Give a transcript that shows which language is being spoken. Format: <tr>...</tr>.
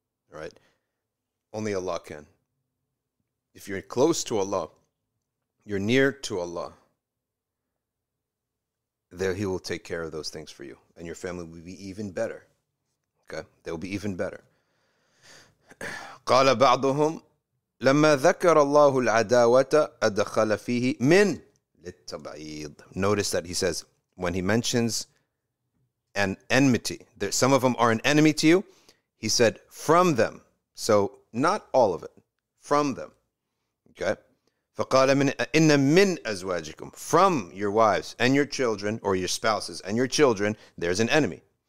<en>Right, only Allah can. If you're close to Allah, you're near to Allah, there he will take care of those things for you, and your family will be even better. Okay, they will be even better.</en> <ar>قال بعضهم لما ذكر الله العداوة أدخل فيه من للتبعيد.</ar> <en>Notice that he says when he mentions an enmity, there, some of them are an enemy to you. He said from them, so not all of it, from them. Okay.</en> <ar>فقال من إن من أزواجكم,</ar> <en>from your wives and your children, or your spouses and your children, there's an enemy.</en>